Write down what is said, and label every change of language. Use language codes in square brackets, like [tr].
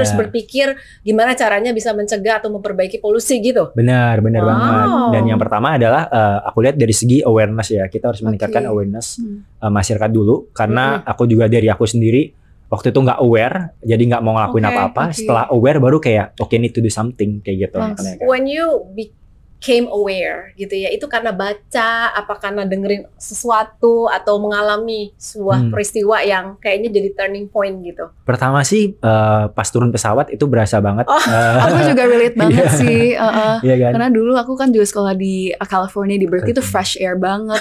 [id] Terus berpikir gimana caranya bisa mencegah atau memperbaiki polusi gitu. Benar banget. Dan yang pertama adalah aku lihat dari segi awareness ya. Kita harus meningkatkan awareness masyarakat dulu. Karena aku juga dari aku sendiri waktu itu gak aware. Jadi gak mau ngelakuin apa-apa. Okay. Setelah aware baru kayak okay, [en] need to do something [id] kayak gitu. [en] When you became aware [id] gitu ya. Itu karena baca, apa karena dengerin sesuatu atau mengalami sebuah peristiwa yang kayaknya jadi turning point gitu. Pertama sih pas turun pesawat itu berasa banget. Aku juga relate banget sih. Karena dulu aku kan juga sekolah di California, di Berkeley itu fresh air banget.